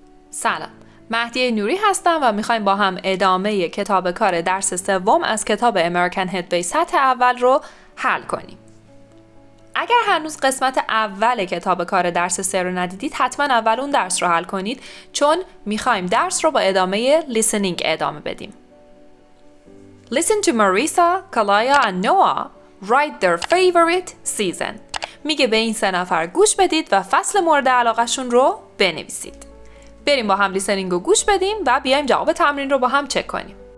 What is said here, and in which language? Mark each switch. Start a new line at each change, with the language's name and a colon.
Persian: سلام، مهدی نوری هستم و میخواییم با هم ادامه کتاب کار درس سوم از کتاب American Headway سطح اول رو حل کنیم. اگر هنوز قسمت اول کتاب کار درس سه رو ندیدید، حتما اول اون درس رو حل کنید، چون میخواییم درس رو با ادامه listening ادامه بدیم.
English: Listen to Marisa, Kalaya and Noah write their favorite season.
Persian: میگه به این سه نفر گوش بدید و فصل مورد علاقه شون رو بنویسید. بریم با هم لیسنینگ رو گوش بدیم و بیایم جواب تمرین رو با هم چک کنیم.